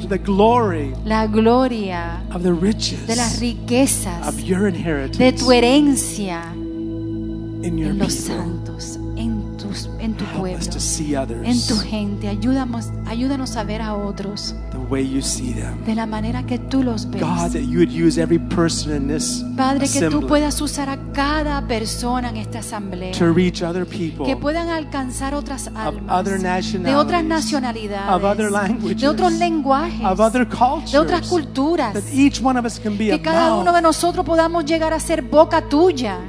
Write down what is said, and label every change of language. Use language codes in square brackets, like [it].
[en] the glory, [es] la gloria [en] of the riches, [es] de las riquezas [en] of your inheritance, [es] de tu herencia [en] in your [es] en los [en] people. [es] Santos. En tu [en] Help [es] pueblo, [en] us to see others, [es] en tu gente, ayúdanos a ver a otros [en] the way you see them. [es] De la manera que tú los ves. [en] God, that you would use every person in this [es] Padre, [en] assembly, [es] que tú puedas usar a cada persona en esta asamblea, [en] to reach other people, [es] que puedan alcanzar otras almas, [en] of other nationalities, [es] de otras nacionalidades, [en] of other languages, [es] de otros lenguajes, [en] of other cultures, [es] de otras culturas, [en] that each one of us can be [es] que cada uno de nosotros podamos llegar a ser boca tuya.